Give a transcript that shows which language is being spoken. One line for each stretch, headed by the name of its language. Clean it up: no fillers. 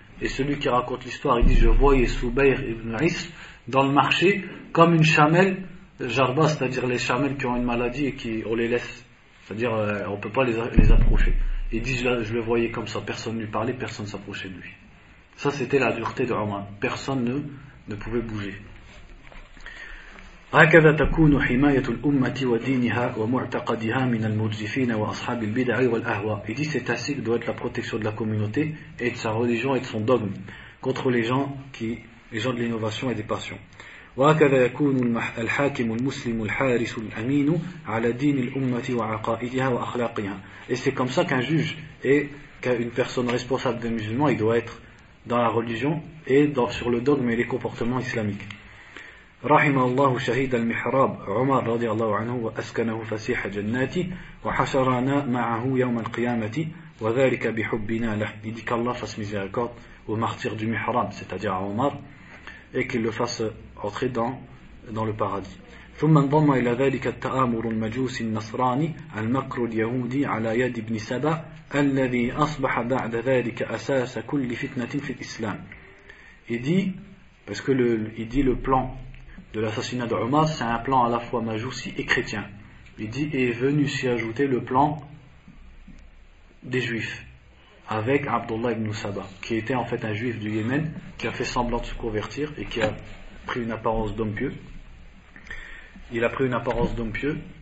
French: Et celui qui raconte l'histoire, il dit, je voyais Soubayr ibn Is dans le marché, comme une chamelle, jarba, c'est-à-dire les chamelles qui ont une maladie et qu'on les laisse, c'est-à-dire on ne peut pas les approcher. Il dit, je le voyais comme ça, personne ne lui parlait, personne ne s'approchait de lui. Ça, c'était la dureté de Omar. Personne ne pouvait bouger.
Arabic: هكذا تكون حماية الأمة ودينها ومعتقدها من المرجفين وأصحاب البدع والأهواء.
French: Il dit, c'est ainsi que doit être la protection de la communauté et de sa religion et de son dogme contre les gens de l'innovation et des passions.
Arabic: وهكذا يكون الحاكم المسلم الحارس الأمين على دين الأمة وعقائدها وأخلاقها.
French: Et c'est comme ça qu'un juge et qu'une personne responsable des musulmans, il doit être dans la religion et sur le dogme et les comportements islamiques.
Arabic: رحم الله شهيد المحراب عمر رضي الله عنه وأسكنه فسيح جناتي وحشرنا معه يوم القيامة وذلك بحبنا له.
French: Il dit qu'Allah fasse miséricorde au martyr du mihrab, c'est-à-dire à Omar, et qu'il le fasse entrer dans le paradis.
Arabic: ثم انضم إلى ذلك التآمر المجوس النصراني المكر اليهودي على يد ابن سبا الذي أصبح بعد ذلك أساس كل فتنة في الإسلام.
French: Il dit le plan de l'assassinat de Omar, c'est un plan à la fois majoussi et chrétien. Il dit, est venu s'y ajouter le plan des juifs avec Abdullah ibn Saba, qui était en fait un juif du Yémen qui a fait semblant de se convertir et qui a pris une apparence d'homme pieux. Il a pris une apparence d'homme pieux